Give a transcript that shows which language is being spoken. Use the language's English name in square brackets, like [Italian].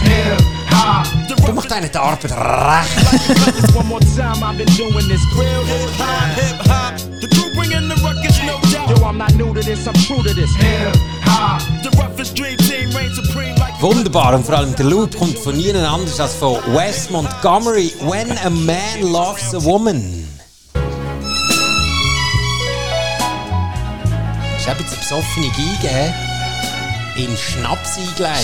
[German] Hip Hop. Du machst deine Arbeit recht. [English] One more time, I've been doing this. Real Hip Hop, Hip Hop. Bringing the ruckus, no doubt. Yo, I'm not new to this, I'm true to this. The roughest dream team reigns supreme. [German] Wunderbar, und vor allem der Loop kommt von niemand anders als von Wes Montgomery. [English] When a man loves a woman. [German] Das ist eben eine besoffene Geige, hä? In Schnaps eingelegt.